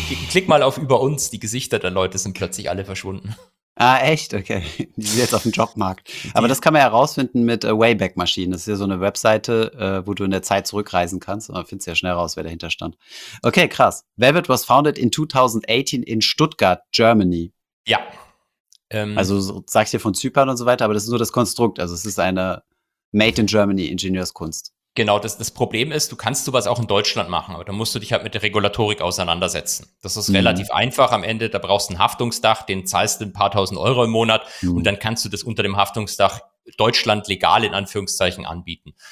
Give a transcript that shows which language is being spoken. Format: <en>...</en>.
<de>Klick mal auf über uns, die Gesichter der Leute sind plötzlich alle verschwunden. Ah, echt? Okay, die sind jetzt auf dem Jobmarkt. Aber das kann man ja herausfinden mit Wayback-Maschinen. Das ist ja so eine Webseite, wo du in der Zeit zurückreisen kannst. Und man findet es ja schnell raus, wer dahinter stand. Okay, krass.</de> <en>Velvet was founded in 2018 in Stuttgart, Germany.</en> <de>Ja. Also, sag ich dir von Zypern und so weiter, aber das ist nur das Konstrukt. Also, es ist eine Made-in-Germany-Ingenieurskunst. Genau, das Problem ist, du kannst sowas auch in Deutschland machen, aber da musst du dich halt mit der Regulatorik auseinandersetzen. Das ist relativ einfach am Ende, da brauchst du ein Haftungsdach, den zahlst du ein paar tausend Euro im Monat und dann kannst du das unter dem Haftungsdach Deutschland legal in Anführungszeichen anbieten.</de>